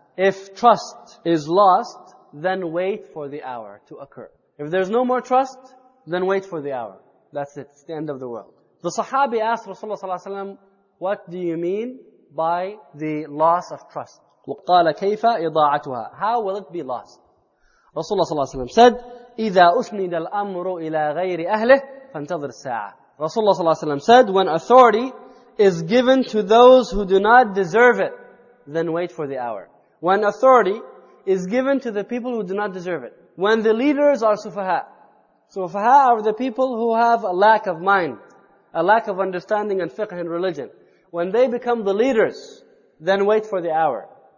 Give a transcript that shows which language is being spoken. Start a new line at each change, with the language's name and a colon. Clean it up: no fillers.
English: If trust is lost, then wait for the hour to occur. If there's no more trust, then wait for the hour. That's it. It's the end of the world. The Sahabi asked Rasulullah sallallahu alayhi wa sallam, what do you mean by the loss of trust?
Arabic: وَقَالَ كَيْفَ إِضَاعَتُهَا.
English: How will it be lost?
Arabic: Rasulullah sallallahu alayhi wa sallam said, إِذَا أُسْنِدَ الْأَمْرُ إِلَىٰ غَيْرِ أَهْلِهِ فَانْتَظِرِ السَّاعَةِ.
English: Rasulullah sallallahu alayhi wa sallam said, when authority is given to those who do not deserve it, then wait for the hour. When authority is given to the people who do not deserve it, when the leaders are sufaha, sufaha are the people who have a lack of mind, a lack of understanding and fiqh in religion, when they become the leaders, then wait for the hour.